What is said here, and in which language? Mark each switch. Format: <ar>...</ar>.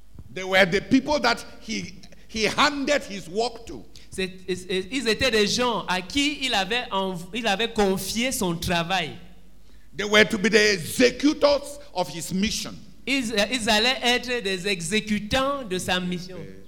<en>They were the people that he handed his work to.</en> <fr>Ils étaient des gens à qui il avait confié son travail.</fr> <en>They were to be the executors of his mission.</en> <fr>Ils allaient être des exécutants de sa mission.</fr>